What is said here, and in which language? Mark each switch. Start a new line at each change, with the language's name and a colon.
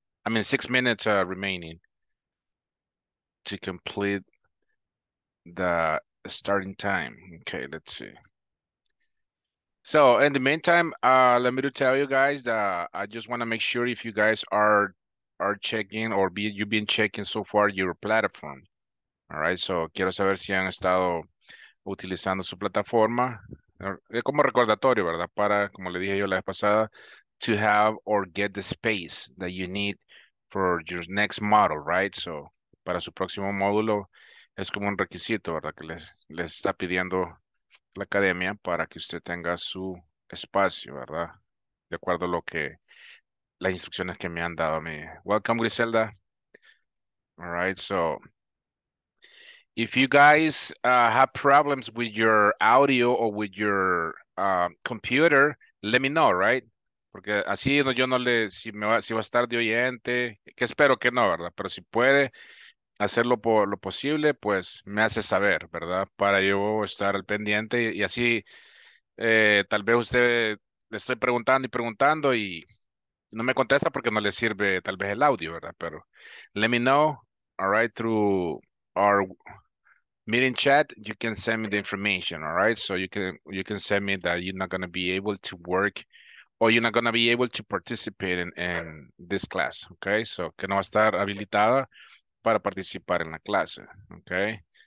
English: I mean, 6 minutes remaining to complete the starting time. Okay, let's see. So in the meantime, let me tell you guys that I just want to make sure if you guys are checking or you've been checking so far your platform. All right.
Spanish: So quiero saber si han estado utilizando su plataforma. Es como recordatorio, ¿verdad? Para, como le dije yo la vez pasada,
English: to have or get the space that you need for your next model,
Spanish: right? So para su próximo módulo es como un requisito, ¿verdad? Que les está pidiendo la academia para que usted tenga su espacio, ¿verdad? De acuerdo a lo que las instrucciones que me han dado a mí.
English: Welcome, Griselda. All right, so if you guys have problems with your audio or with your computer, let me know, right?
Spanish: Porque así no, yo no le, si me va, si va a estar de oyente, que espero que no, ¿verdad? Pero si puede hacerlo por lo posible, pues me hace saber, ¿verdad? Para yo estar al pendiente y así tal vez usted le estoy preguntando y preguntando y no me contesta porque no le sirve tal vez el audio, ¿verdad?
English: Pero let me know, all right, through our meeting chat, you can send me the information, all right? So you can send me that you're not going to be able to work or you're not going to be able to participate in this class, okay?
Spanish: So que no va a estar habilitada para participar en la clase, okay?